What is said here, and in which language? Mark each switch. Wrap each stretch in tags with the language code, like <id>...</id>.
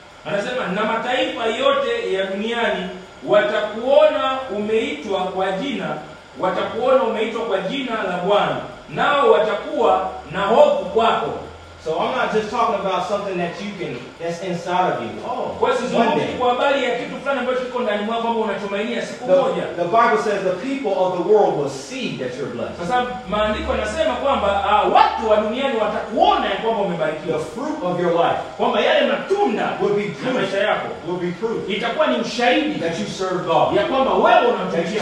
<sw>Anasema na mataifa yote ya duniani watakuona umeitwa kwa jina, watakuona umeitwa kwa jina la Bwana, nao watakuwa na hofu kwako.</sw> <en>So I'm not just talking about something that you can, that's inside of you. Oh,</en> <sw>kwa sababu ni kwa habari ya kitu fulani ambacho kiko ndani mwako ambao unatumainia siku moja.</sw> <en>The Bible says the people of the world will see that you're blessed.</en> <sw>Sasa maandiko yanasema kwamba watu wa duniani watakuona kwamba umebarikiwa.</sw> <en>The fruit of your life.</en> <sw>Kwamba yale matunda</sw> <en>will be proof.</en> <sw>Maisha yako</sw> <en>will be proof.</en> <sw>Itakuwa ni ushahidi</sw> <en>that you serve God.</en> <sw>Ya kwamba wewe unamtumikia</sw>